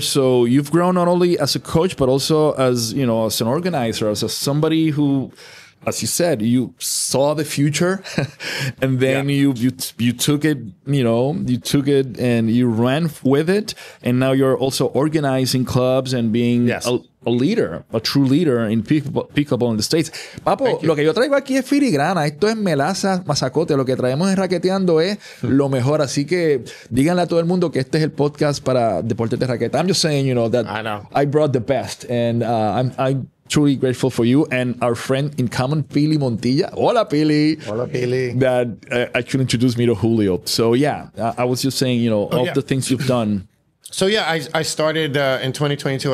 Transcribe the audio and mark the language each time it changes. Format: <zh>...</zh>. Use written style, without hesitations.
<en>So you've grown not only as a coach, but also as, you know, as an organizer, as a, somebody who, as you said, you saw the future and then you took it, you know, you took it and you ran with it. And now you're also organizing clubs and being a leader, a true leader in pickleball in the States.</en> <es>Papo, lo que yo traigo aquí es filigrana. Esto es melaza, mazacote. Lo que traemos en Raqueteando es lo mejor. Así que díganle a todo el mundo que este es el podcast para deportes de raqueta.</es> <en>I'm just saying, you know, that I brought the best and I'm truly grateful for you and our friend in common, Pili Montilla.</en> <es>Hola, Pili. Hola, Pili.</es> <en>That actually introduced me to Julio. So, yeah, I was just saying, you know, the things you've done. So, yeah, I started in 2022.</en>